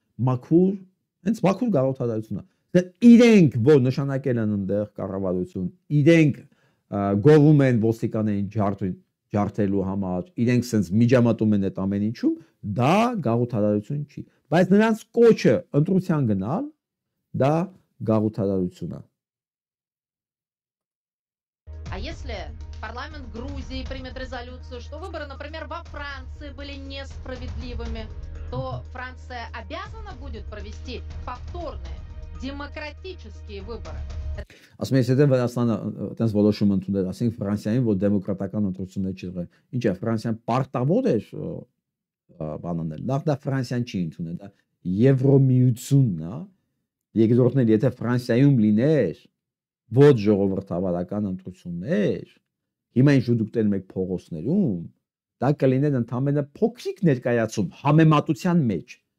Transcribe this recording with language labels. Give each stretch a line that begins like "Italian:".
Armenian: մաքուր, հենց մաքուր գաղութարարությունը, դե իրենք որ նշանակել են ընդեղ կառավարություն, իրենք գովում են ոստիկանային ջարդելու համար, իրենք սենց միջամտում են այդ ամեն ինչում, դա գաղութարարություն չի, բայց նրանց կոչը ընտրության գնալ, դա գաղութարարություն է։
Russian: А если парламент Грузии примет резолюцию, что выборы, например, во Франции были несправедливыми, то Франция обязана будет провести повторные демократические выборы.
Armenian: Ասում եմ, եթե Վրաստանը այնպես որոշում ընդունել, ասենք Ֆրանսիային, որ դեմոկրատական ընտրություն չի եղել, ինչ է, Ֆրանսիան պարտավոր է բան անել, նախ դա Ֆրանսիան չի ընդունել, դա Եվրոմիությունն է, երկրորդներ, եթե Ֆրանսիայում լիներ ոչ ժողովրդավարական ընտրություններ, հիմա ինչ դուք տեսնում եք փողոցներում, դա կլիներ ընդամենը փոքրիկ ներկայացում համեմատության մեջ,